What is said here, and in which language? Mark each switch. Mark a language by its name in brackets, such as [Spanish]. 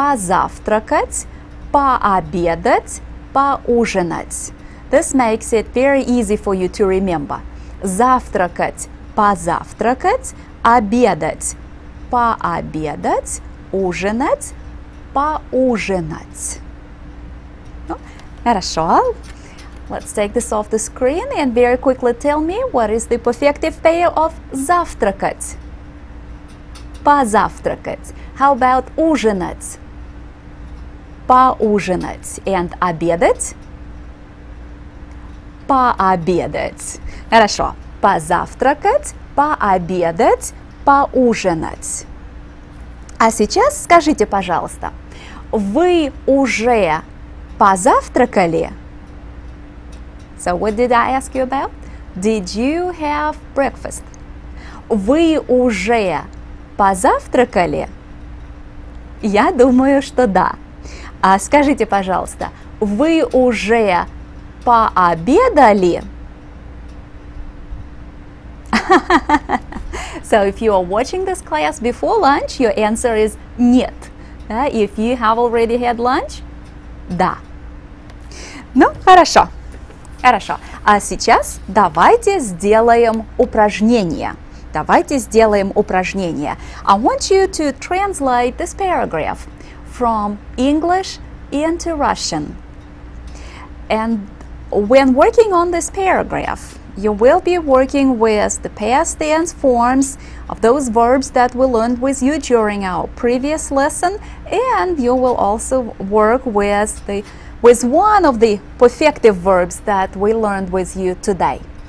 [Russian] Позавтракать, пообедать, поужинать. [English] This makes it very easy for you to remember. [Russian] Завтракать – позавтракать, обедать – пообедать, ужинать – поужинать. Ну, хорошо. [English] Let's take this off the screen and very quickly tell me what is the perfective pair of завтракать. [Russian] Позавтракать. [English] How about [Russian] ужинать? Поужинать. [English] And обедать? [Russian] Пообедать. Хорошо. Позавтракать, пообедать, поужинать. А сейчас скажите, пожалуйста, вы уже позавтракали? [English] So what did I ask you about? Did you have breakfast? [Russian] Вы уже позавтракали? Я думаю, что да. А скажите, пожалуйста, вы уже пообедали? [English] So if you are watching this class before lunch, your answer is нет. If you have already had lunch, да. [Russian] Ну, хорошо. Хорошо. А сейчас давайте сделаем упражнение. Давайте сделаем упражнение. [English] I want you to translate this paragraph from English into Russian. And when working on this paragraph, you will be working with the past tense forms of those verbs that we learned with you during our previous lesson, and you will also work with one of the perfective verbs that we learned with you today.